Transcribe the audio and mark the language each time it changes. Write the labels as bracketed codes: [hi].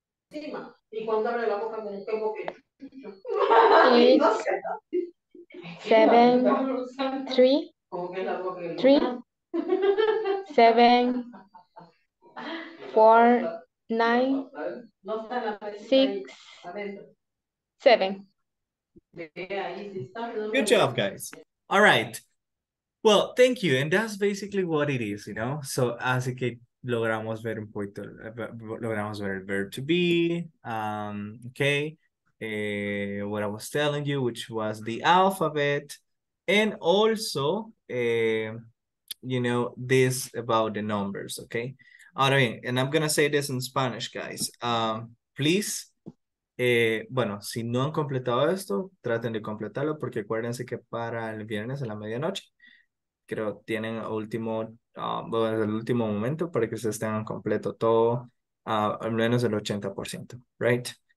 [en] It's 7 3 3 7 4 9 6 7. Good job, guys. All right. Well, thank you. And that's basically what it is, you know? [es] So, así que logramos ver un poquito, logramos ver el verb to be, okay? [en] What I was telling you, which was the alphabet. And also, you know, this about the numbers, okay? [es] Ahora bien, [en] and I'm gonna say this in Spanish, guys. [es] Please, bueno, si no han completado esto, traten de completarlo, porque acuérdense que para el viernes a la medianoche, creo que tienen el último momento para que ustedes tengan completo todo, al menos el 80%, right?